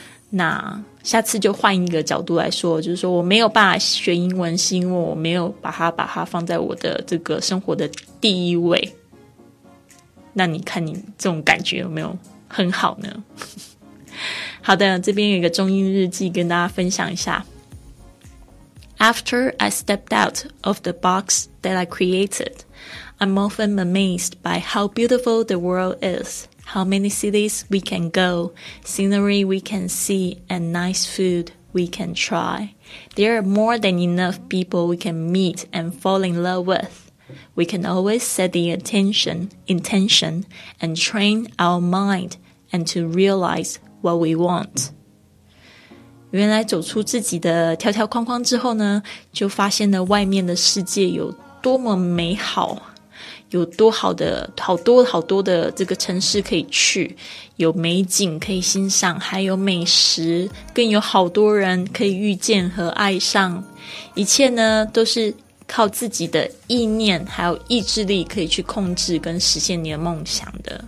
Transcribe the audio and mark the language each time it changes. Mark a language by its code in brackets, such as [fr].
[zh] 那下次就换一个角度来说，就是说我没有办法学英文是因为我没有把它放在我的这个生活的第一位。那你看你这种感觉有没有很好呢？好的，这边有一个中英日记跟大家分享一下。 [en] After I stepped out of the box that I createdI'm often amazed by how beautiful the world is, how many cities we can go, scenery we can see, and nice food we can try. There are more than enough people we can meet and fall in love with. We can always set the intention, and train our mind and to realize what we want. [zh] 原来走出自己的条条框框之后呢，就发现了外面的世界有多么美好。有多好的好多好多的这个城市可以去，有美景可以欣赏，还有美食，更有好多人可以遇见和爱上，一切呢都是靠自己的意念还有意志力可以去控制跟实现你的梦想的。